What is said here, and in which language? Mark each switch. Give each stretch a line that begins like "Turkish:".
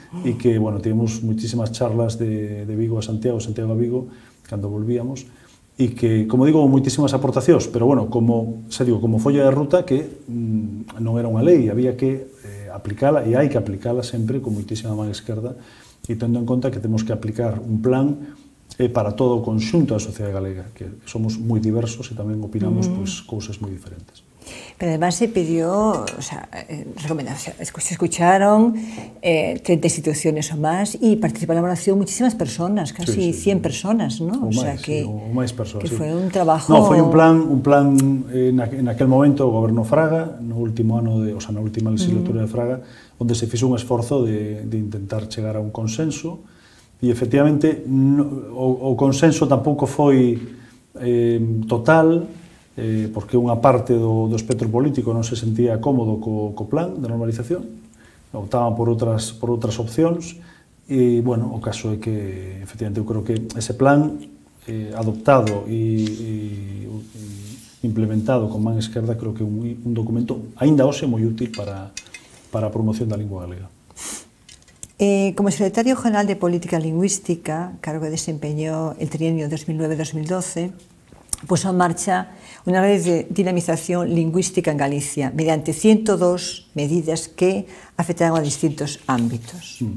Galician: e que, bueno, tivemos moitísimas charlas de Vigo a Santiago, Santiago a Vigo, cando volvíamos, e que, como digo, moitísimas aportacións, pero, bueno, como folla de ruta, que non era unha lei, había que aplicala, e hai que aplicala sempre con moitísima man esquerda, e tendo en conta que temos que aplicar un plan para todo o conxunto da sociedade galega, que somos moi diversos e tamén opinamos pues, cousas moi diferentes.
Spanish: Pero además se pidió, o sea, recomendación, se escucharon 30 instituciones o más y participó en la elaboración muchísimas personas, casi 100 personas, ¿no? O más personas. Que fue un trabajo. No, fue un plan en aquel momento, el gobierno Fraga, en el último año, en la última legislatura de Fraga, donde se hizo un esfuerzo de intentar llegar a un consenso y efectivamente o consenso tampoco fue total.
Galician: Porque unha parte do espectro político non se sentía cómodo co plan de normalización, optaban por outras opcións, e, bueno, o caso é que, efectivamente, eu creo que ese plan adoptado e implementado con man esquerda, creo que é un documento, aínda hoxe, moi útil para a promoción da lingua galega.
Spanish: Como secretario general de Política Lingüística, cargo que desempeñou el trienio 2009-2012, puso en marcha una red de dinamización lingüística en Galicia mediante 102 medidas que afectaron a distintos ámbitos.